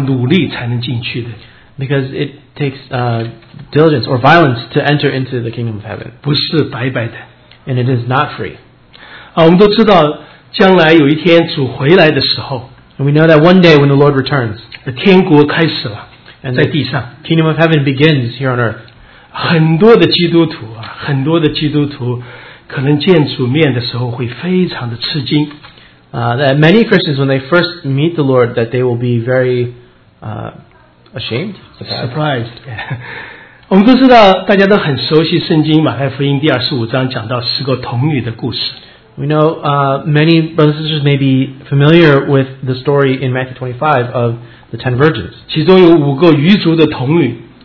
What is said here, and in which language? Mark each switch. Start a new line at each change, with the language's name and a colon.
Chinese: 因为要进天国是要努力才能进去的。
English: Because it takes diligence or violence to enter into the kingdom of heaven.
Chinese: 不是白白的。
English: And it is not free.
Chinese: 我们都知道将来有一天主回来的时候，
English: and we know that one day when the Lord returns,
Chinese: 天国开始了， 在地上，
English: and the kingdom of heaven begins here on earth.
Chinese: 很多的基督徒啊， 很多的基督徒可能见主面的时候会非常的吃惊。
English: That many Christians, when they first meet the Lord, that they will be very ashamed, surprised.
Chinese: 我们都知道大家都很熟悉圣经马太福音第25章讲到十个童女的故事。
English: We know many brothers and sisters may be familiar with the story in Matthew 25 of the 10 virgins.
Chinese: 其中有五个余族的童女。